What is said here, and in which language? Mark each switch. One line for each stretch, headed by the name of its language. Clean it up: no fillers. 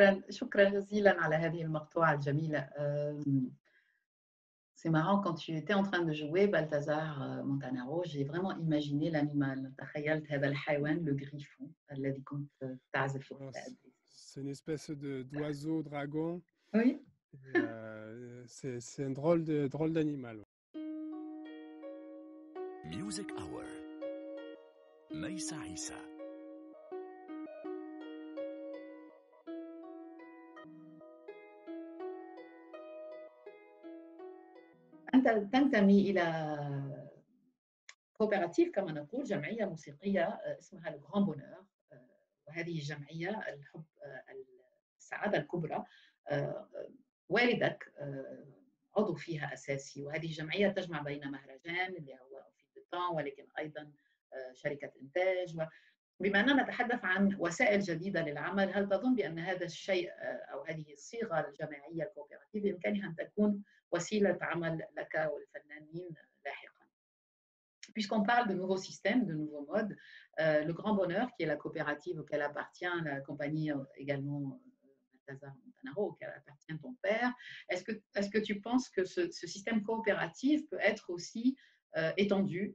Arabic: شكرا جزيلا على هذه المقطوعة الجميلة.
French: C'est marrant quand tu étais en train de jouer Balthazar Montanaro, j'ai vraiment imaginé l'animal.
Arabic: تخيلت هذا الحيوان le griffon الذي كنت تعزف عليه.
French: C'est une espèce de d'oiseau dragon. Oui. c'est un drôle d'animal.
English: Music Hour. ميسا عيسى.
Arabic: أنت تنتمي إلى كوبراتيف كما نقول، جمعية موسيقية اسمها الغران بونور، وهذه الجمعية الحب السعادة الكبرى، والدك عضو فيها أساسي، وهذه الجمعية تجمع بين مهرجان اللي هو في بيتان، ولكن أيضا شركة إنتاج. بما أننا نتحدث عن وسائل جديدة للعمل، هل تظن بأن هذا الشيء أو هذه الصيغة الجماعية الكوبراتيف بإمكانها أن تكون وسيلة عمل لك والفنانين لاحقا؟
French: Puisqu'on parle de nouveaux systèmes, de nouveaux modes, le Grand Bonheur, qui est la coopérative auquel appartient la compagnie également Balthazar Montanaro, auquel appartient ton père, est-ce que tu penses que ce système coopératif peut être aussi étendu?